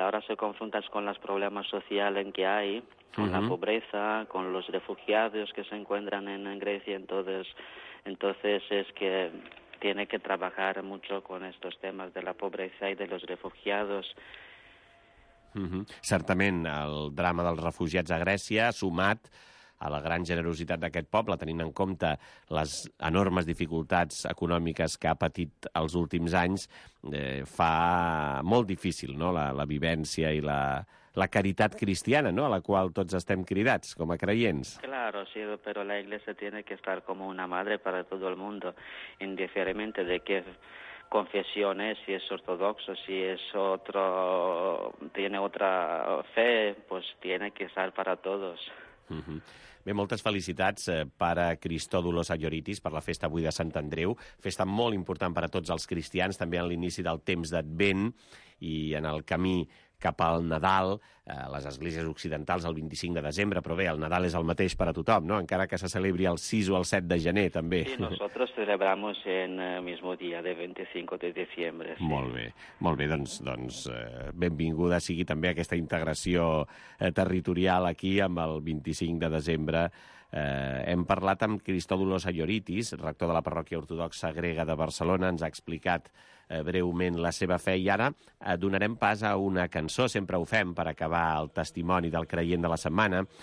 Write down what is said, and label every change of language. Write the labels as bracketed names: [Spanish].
[Spanish] Ahora se confronta con los problemas sociales que hay, con la pobreza, con los refugiados que se encuentran en Grecia. Entonces es que tiene que trabajar mucho con estos temas de la pobreza y de los refugiados. [Catalan] Certament, el drama dels refugiats a Grècia, sumat a la gran generositat d'aquest poble, tenint en compte les enormes dificultats econòmiques que ha patit els últims anys, fa molt difícil, no?, la vivència i la caritat cristiana, no?, a la qual tots estem cridats com a creients. [Spanish] Claro, sí, pero la Iglesia tiene que estar como una madre para todo el mundo, indiferentemente de qué confesión es, si es ortodoxo, si es otro, tiene otra fe, pues tiene que estar para todos. [Catalan] Bé, moltes felicitats per a Cristo Dolor Sayoritis, per la festa avui de Sant Andreu, festa molt important per a tots els cristians, també en l'inici del temps d'Advent i en el camí cap al Nadal, a les esglésies occidentals el 25 de desembre, però bé, el Nadal és el mateix per a tothom, no? Encara que se celebri el 6 o el 7 de gener, també. [Spanish] Sí, nosotros celebramos en el mismo día de 25 de diciembre. Sí. [Catalan] Molt bé, doncs benvinguda sigui també aquesta integració territorial aquí amb el 25 de desembre. Hem parlat amb Cristo Dolor Sayoritis, rector de la parròquia ortodoxa grega de Barcelona, ens ha explicat breument la seva fe, i ara donarem pas a una cançó, sempre ho fem per acabar el testimoni del creient de la setmana.